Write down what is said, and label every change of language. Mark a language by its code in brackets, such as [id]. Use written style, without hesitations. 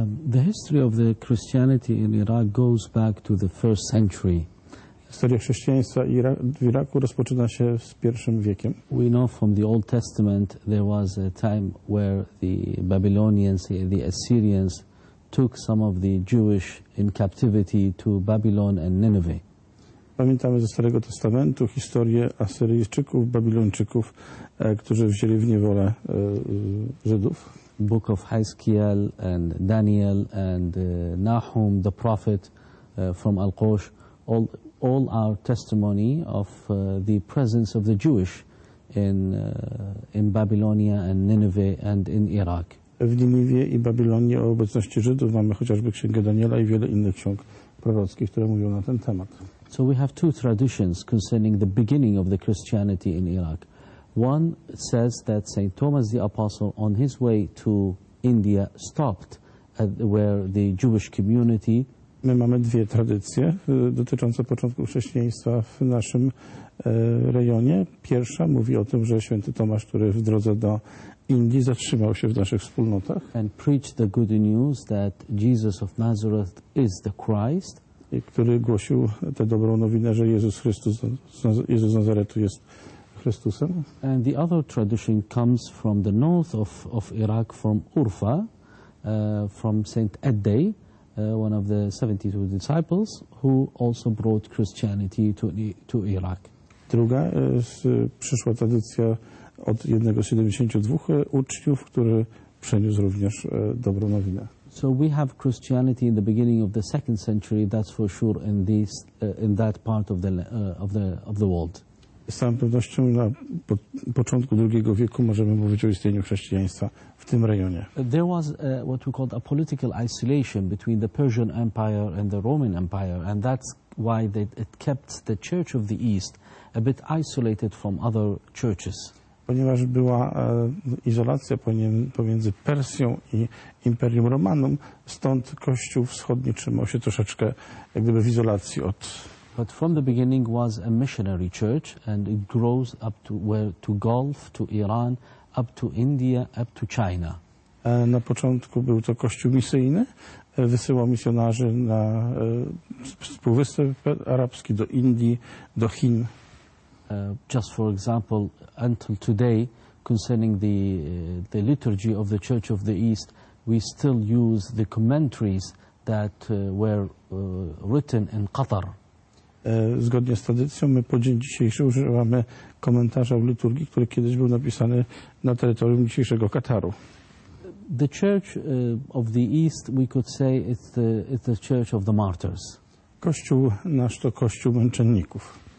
[en] The history of the Christianity in Iraq goes back to the first century. [pl] Historia chrześcijaństwa w Iraku rozpoczyna się z pierwszym wiekiem. [en] We know from the Old Testament there was a time where the Babylonians, the Assyrians took some of the Jewish in captivity to Babylon and Nineveh. [pl] Pamiętamy ze Starego Testamentu historię Asyryjczyków, Babilończyków, którzy wzięli w niewolę Żydów. [en] Book of Hezekiel and Daniel and Nahum, the prophet from Al-Qosh, all our testimony of the presence of the Jewish in Babylonia and Nineveh and in Iraq. [pl] W Niniwie i Babilonii o obecności Żydów mamy chociażby Księgę Daniela i wiele innych ksiąg prorockich, które mówią na ten temat. [en] So we have two traditions concerning the beginning of the Christianity in Iraq. One says that St. Thomas the Apostle on his way to India stopped at where the Jewish community. [pl] My mamy dwie tradycje dotyczące początku chrześcijaństwa w naszym rejonie. Pierwsza mówi o tym, że święty Tomasz, który w drodze do Indii zatrzymał się w naszych wspólnotach. [en] And preached the good news that Jesus of Nazareth is the Christ. [pl] I który głosił tę dobrą nowinę, że Jezus Chrystus, Jezus z Nazaretu jest Chrystusem. [en] And the other tradition comes from the north of Iraq, from Urfa, from St. Eddai. One of the 72 disciples who also brought Christianity to Iraq. [pl] Druga przyszła tradycja od jednego z 72 uczniów, który przeniósł również dobrą nowinę. [en] So we have Christianity in the beginning of the second century, that's for sure in this in that part of the of the world. [pl] Z całą pewnością na początku drugiego wieku możemy mówić o istnieniu chrześcijaństwa w tym rejonie. [en] There was what we called a political isolation between the Persian Empire and the Roman Empire, and that's why it kept the Church of the East a bit isolated from other churches. [pl] Ponieważ była izolacja pomiędzy Persją i Imperium Romanum, stąd Kościół Wschodni trzymał się troszeczkę jak gdyby w izolacji od. [en] But from the beginning was a missionary church, and it grows up to where to Gulf, to Iran, up to India, up to China. [pl] Na początku był to kościół misyjny, wysyłał misjonarzy na Półwysep Arabski, do Indii, do Chin. [en] Just for example, until today, concerning the liturgy of the Church of the East, we still use the commentaries that were written in Qatar. [pl] Zgodnie z tradycją, my po dzień dzisiejszy używamy komentarza w liturgii, który kiedyś był napisany na terytorium dzisiejszego Kataru. [en] The Church of the East, we could say, it's the Church of the Martyrs. [pl] Kościół nasz to kościół męczenników.